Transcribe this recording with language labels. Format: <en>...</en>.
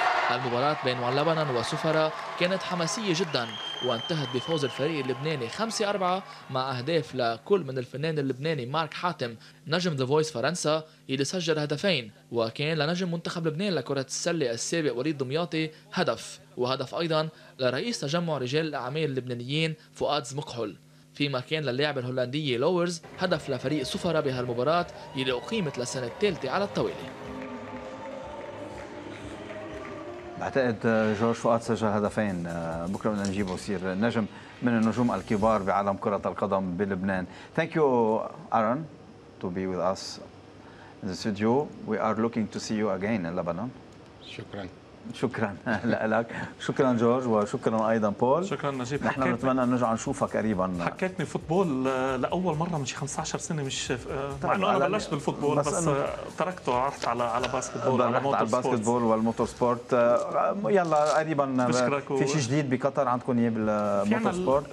<ar>المباراة بين ون لبنان وسفرة كانت حماسية جدا، وانتهت بفوز الفريق اللبناني 5-4 مع أهداف لكل من الفنان اللبناني مارك حاتم نجم The Voice فرنسا اللي سجل هدفين، وكان لنجم منتخب لبنان لكرة السلة السابق وليد دمياطي هدف، وهدف أيضا لرئيس تجمع رجال الأعمال اللبنانيين فؤاد زمقحل، فيما كان للاعب الهولندي لورز هدف لفريق سفرة بهالمباراة اللي أقيمت للسنة الثالثة على التوالي. بعتقد جورج فؤاد سجل هدفين، بكره بدنا نجيبه وصير نجم من النجوم الكبار بعالم كرة القدم بلبنان.</ar> <en>Thank you Aaron to be with us in the studio. We are looking to see you again in Lebanon.</en> <ar>شكرا لك. شكرا جورج، وشكرا ايضا بول. شكرا نجيب، نحن بنتمنى نرجع نشوفك قريبا. حكيتني فوتبول لاول مره من شي 15 سنه، مش مع انه انا بلشت بالفوتبول بس تركته، رحت على باسكتبول، على موتور سبورت. الباسكتبول والموتور سبورت، يلا قريبا في شيء جديد بقطر عندكم اياه بالموتور سبورت؟</ar>